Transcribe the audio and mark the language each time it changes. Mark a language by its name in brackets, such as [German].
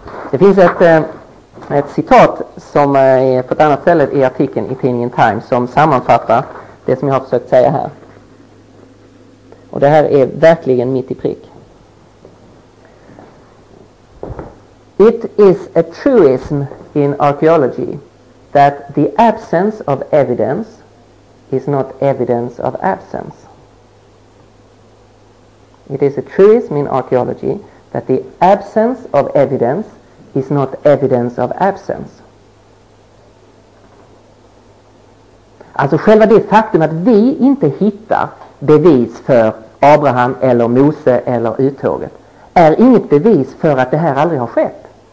[Swedish] Det finns ett citat som är på ett annat ställe i artikeln i tidningen Times som sammanfattar det som jag har försökt säga här. Och det här är verkligen mitt i prick. [English] It is a truism in archaeology that the absence of evidence is not evidence of absence. It is a truism in archaeology that the absence of evidence is not evidence of absence. [Swedish] Alltså själva det faktum att vi inte hittar bevis för Abraham eller Mose eller uttåget är inget bevis för att det här aldrig har skett.